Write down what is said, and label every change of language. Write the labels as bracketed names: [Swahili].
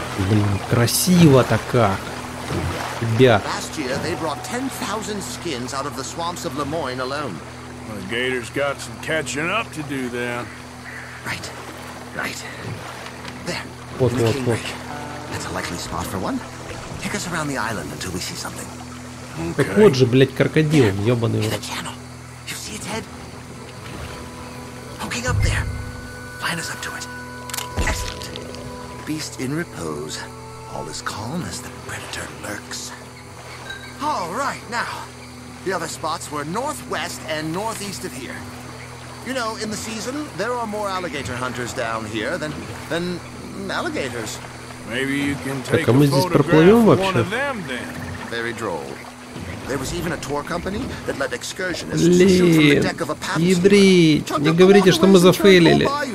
[Russian] Блин, красиво-то как, ребят. [English] Last year they brought 10,000 skins out of the swamps of Lemoyne alone. Well, the gators got some catching up to do then. Right, right. There. [Russian] Вот. [English] That's a likely spot for one. Take us around the island until we see something. Okay. [Russian] Так вот же, блять, крокодил, ёбаный вот. [English] You see its head? Poking up there. Line us up to it. Beast in repose. All is calm as the predator lurks. All right, now. The other spots were northwest and northeast of here. You know, in the season, there are more alligator hunters down here than alligators. Maybe you can take a photograph of one of them then. Very droll. There was even a tour company that led excursionists to shoot from the deck of a paddle steamer. [Russian] Ебрить, не говорите, что мы зафейлили.